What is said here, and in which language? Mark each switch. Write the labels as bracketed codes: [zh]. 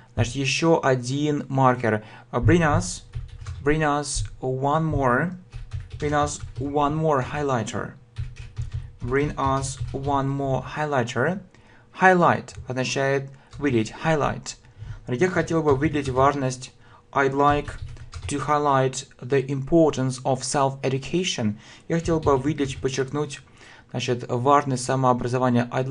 [ru] Значит, еще один маркер. [en] Bring us one more highlighter. Bring us one more highlighter. Highlight [ru] означает выделить, [en] highlight. [ru] Я хотел бы выделить важность. [en] I'd like to highlight the importance of self-education. [ru] Я хотел бы выделить, подчеркнуть, значит, важность самообразования.